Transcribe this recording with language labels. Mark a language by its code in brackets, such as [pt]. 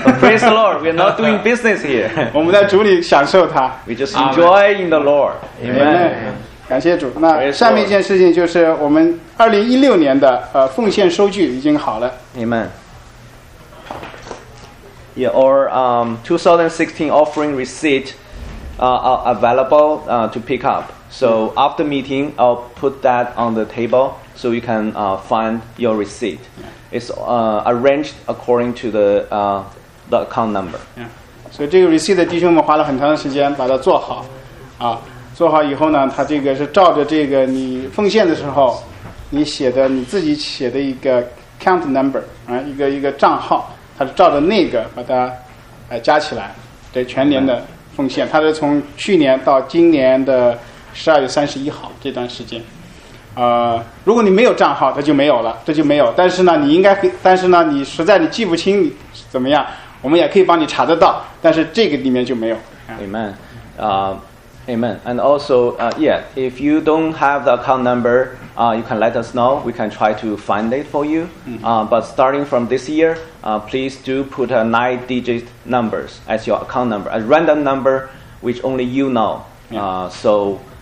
[en] Praise the Lord. We are not doing business here. [zh] 我们在主里享受它。 [en] We just enjoy in the Lord. Amen. [zh] 感谢主。那下面一件事情就是我们2016年的奉献收据已经好了。 [en] Amen. Yeah, or 2016 offering receipt are available to pick up. So after meeting, I'll put that on the table so you can find your receipt. It's arranged according to the account number. Yeah. So this receipt, [zh] 弟兄们花了很长时间把它做好。啊，做好以后呢，它这个是照着这个你奉献的时候你自己写的一个 count number 啊，一个账号。他照着那个把它加起来，这全年的奉献，他是从去年到今年的12月31号这段时间。如果你没有账号，那就没有了，这就没有。但是呢，你应该，但是呢，你实在你记不清怎么样，我们也可以帮你查得到。但是这个里面就没有。 [en] Amen. Amen. And also, yeah, if you don't have the account number, you can let us know. We can try to find it for you. But starting from this year, please do put a 9-digit numbers as your account number, a random number which only you know. So.